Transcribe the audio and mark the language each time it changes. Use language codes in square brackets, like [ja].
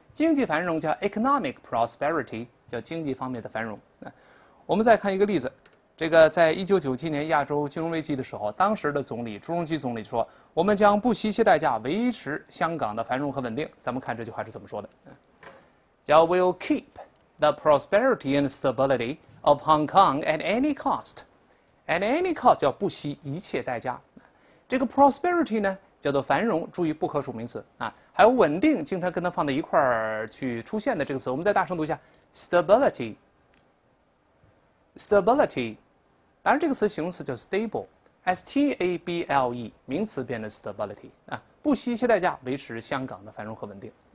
[zh] 经济繁荣叫 economic prosperity，叫经济方面的繁荣。我们再看一个例子。这个在1997年亚洲金融危机的时候，当时的总理朱镕基总理说：“我们将不惜一切代价维持香港的繁荣和稳定。” 咱们看这句话是怎么说的？ [en] 叫 "We'll keep the prosperity and stability of Hong Kong at any cost." [zh] At any cost 叫不惜一切代价。这个 prosperity 呢，叫做繁荣，注意不可数名词啊。还有稳定，经常跟它放在一块儿去出现的这个词，我们再大声读一下 stability。 Stability， 当然这个词形容词叫 stable，S-T-A-B-L-E， 名词变成 stability 啊，不惜一切代价维持香港的繁荣和稳定。